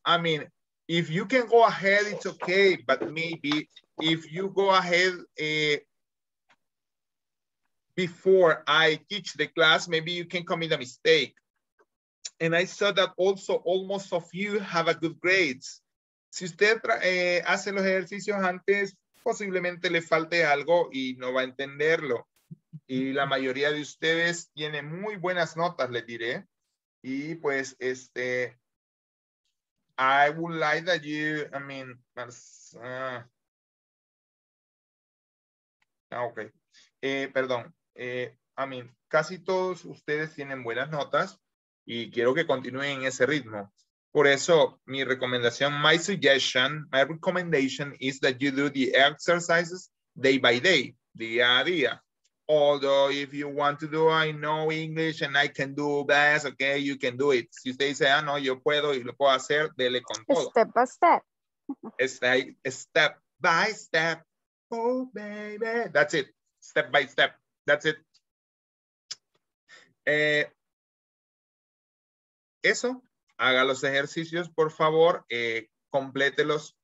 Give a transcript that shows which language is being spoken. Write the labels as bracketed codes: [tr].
[en] I mean, if you can go ahead, it's okay, but maybe if you go ahead before I teach the class, maybe you can commit a mistake. And I saw that also almost of you have a good grades. [es] Si usted hace los ejercicios antes, posiblemente le falte algo y no va a entenderlo. Y la mayoría de ustedes tiene muy buenas notas, les diré. Y pues este... [en] I would like that you, I mean, [es] casi todos ustedes tienen buenas notas y quiero que continúen en ese ritmo. Por eso, mi recomendación, [en] my recommendation is that you do the exercises day by day, [es] día a día. [en] Although if you want to do, I know English and I can do best, okay, you can do it. [es] Si usted dice, ah, no, yo puedo y lo puedo hacer, dele con todo. [en] Step by step. Step by step. Oh, baby. That's it. Step by step. That's it. [es] Eso. Haga los ejercicios, por favor. Complételos.